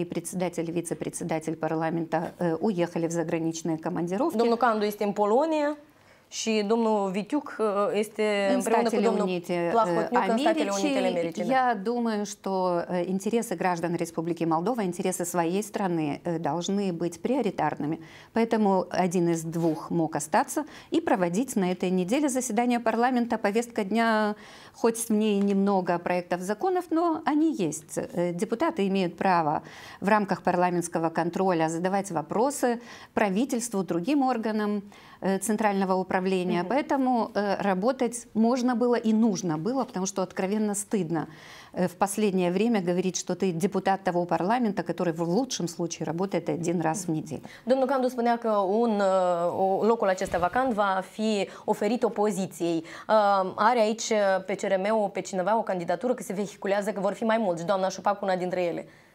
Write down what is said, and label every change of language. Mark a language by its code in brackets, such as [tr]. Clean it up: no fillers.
[ru] И председатель, и вице-председатель парламента уехали в заграничные командировки. [ro] Domnul Candu este în Polonia. Și domnul Vitiuc este împreună cu domnul Plahotniuc. [ru] Я думаю, что интересы граждан Республики Молдова, интересы своей страны должны быть приоритарными. Поэтому один из двух мог остаться и проводить на этой неделе заседание парламента. Повестка дня, хоть в ней немного проектов законов, но они есть. Депутаты имеют право в рамках парламентского контроля задавать вопросы правительству, другим органам центрального управления. Поэтому работать можно было и нужно было, потому что откровенно стыдно в последнее время говорить, что ты депутат того парламента, который в лучшем случае работает один раз в неделю. [ro] Domnul Candu spunea că locul acesta vacant va fi oferit opoziției. Are aici pe CRM-ul pe cineva o candidatură că se vehiculează că vor fi mai mulți, doamna Șupac una dintre ele.